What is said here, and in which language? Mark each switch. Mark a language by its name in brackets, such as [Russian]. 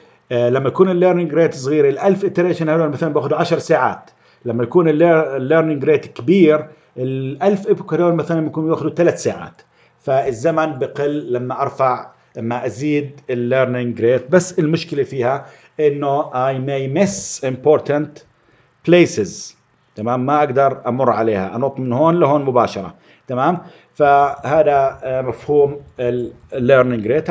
[Arabic] لما يكون الليرنينج ريت صغير، ال1000 اتريشن هذول مثلا باخذوا 10 ساعات. لما يكون الليرنينج ريت كبير، ال1000 ايبوك هذول مثلا ممكن ياخذوا 3 ساعات. فالزمن بقل لما ارفع، لما ازيد الليرنينج ريت. بس المشكله فيها انه [English] I may miss important places. [Arabic] تمام، ما اقدر امر عليها، انط من هون لهون مباشره. تمام، فهذا مفهوم الليرنينج ريت.